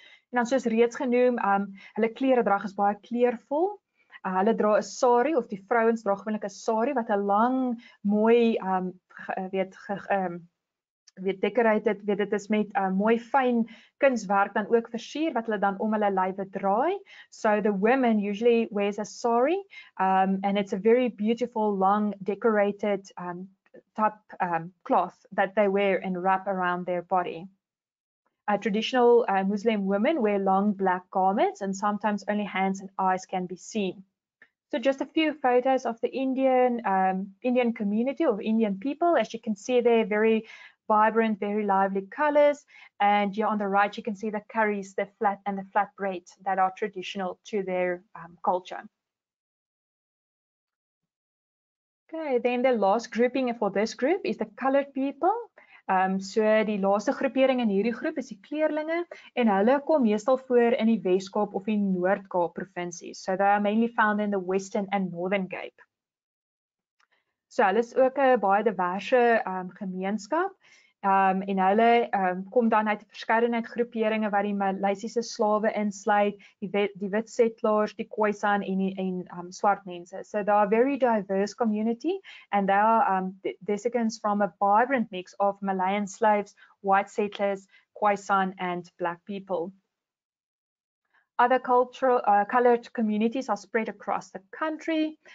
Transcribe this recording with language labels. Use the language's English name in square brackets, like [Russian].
[Afrikaans] En dan soos reeds genoem, hulle kleredrag is baie kleurvol. Hulle dra 'n sari of die vrouens dra gewoonlik 'n sari wat 'n lang mooi dit is met mooi fyn kunswerk dan ook versier wat hulle dan om hulle lywe draai. [English] So the women usually wears a sari and it's a very beautiful long decorated top cloth that they wear and wrap around their body. Traditional Muslim women wear long black garments and sometimes only hands and eyes can be seen. So just a few photos of the Indian community of Indian people. As you can see, they're very vibrant, very lively colors. And on the right, you can see the curries, the flat and the flatbread that are traditional to their culture. Okay, then the last grouping for this group is the colored people. [Afrikaans] So die laaste groepering in hierdie groep is die kleerlinge en hulle kom meestal voor in die Weskaap of die Noord-Kaap provinsies. [English] So they are mainly found in the Western and Northern Cape. [Afrikaans] So hulle is ook 'n baie diverse gemeenskap. En hulle kom dan uit 'n verskeidenheid groeperinge wat die Maleisiese slawe insluit, die wit settlers, die Khoisan en swart mense. [English] So they are a very diverse community and they are descendants from a vibrant mix of Malayan slaves, white settlers, Khoisan and black people. Other cultural colored communities are spread across the country.